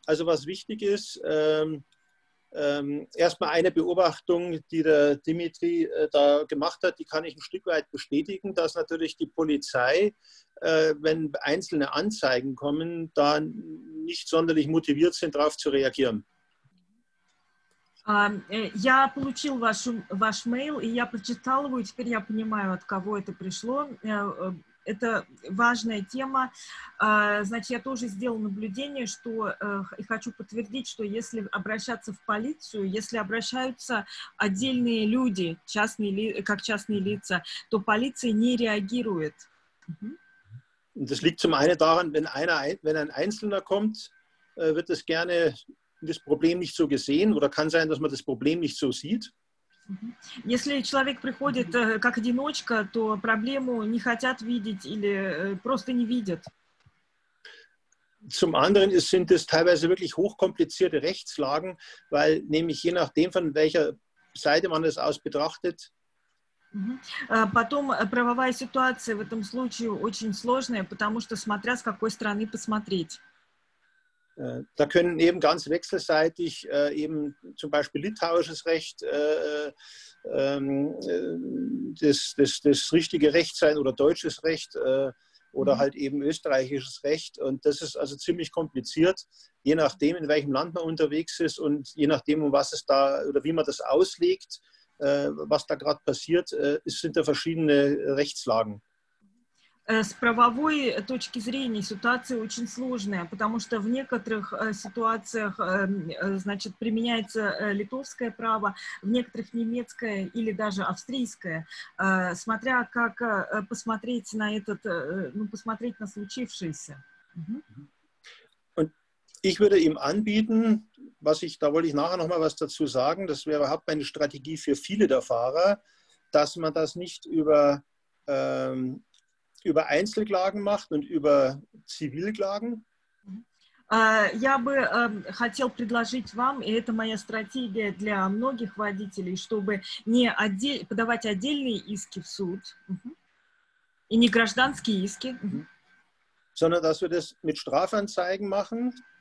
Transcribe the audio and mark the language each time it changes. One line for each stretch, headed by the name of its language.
German: Also was wichtig ist, erstmal eine Beobachtung, die der Dimitri da gemacht hat, die kann ich ein Stück weit bestätigen, dass natürlich die Polizei, wenn einzelne Anzeigen kommen, da nicht sonderlich motiviert sind, darauf zu reagieren.
Russian: Я получил ваш mail, и я прочитал его, и теперь я понимаю, от кого это пришло. Это важная тема. Значит, я тоже сделал наблюдение, что и хочу подтвердить, что если обращаться в полицию, если обращаются отдельные люди, частные лица, то полиция не реагирует.
German: Das liegt zum einen daran, wenn ein Einzelner kommt, wird es gerne das Problem nicht so gesehen oder kann sein, dass man das Problem nicht so sieht.
Russian: Если человек приходит как одиночка, то проблему не хотят видеть или просто не видят.
German: Zum anderen sind es teilweise wirklich hochkomplizierte Rechtslagen, weil nämlich je nachdem, von welcher Seite man es aus betrachtet.
Russian: Потом правовая ситуация в этом случае очень сложная, потому что смотря с какой стороны посмотреть.
German: Da können eben ganz wechselseitig eben zum Beispiel litauisches Recht das richtige Recht sein oder deutsches Recht oder halt eben österreichisches Recht. Und das ist also ziemlich kompliziert, je nachdem, in welchem Land man unterwegs ist und je nachdem, um was es da oder wie man das auslegt, was da gerade passiert, sind da verschiedene Rechtslagen.
Russian: С правовой точки зрения ситуация очень сложная, потому что в некоторых ситуациях, значит, применяется литовское право, в некоторых немецкое или даже австрийское. Смотря как посмотреть на этот, ну, посмотреть на случившееся.
German: Und ich würde ihm anbieten, was ich, da wollte ich nachher noch mal was dazu sagen, das wäre überhaupt meine Strategie für viele der Fahrer, dass man das nicht über Einzelklagen macht und über Zivilklagen.
Russian: Я бы хотел предложить вам, и это моя стратегия для многих водителей, чтобы не подавать отдельные иски в суд и не гражданские иски,
German: sondern dass wir das mit Strafanzeigen machen.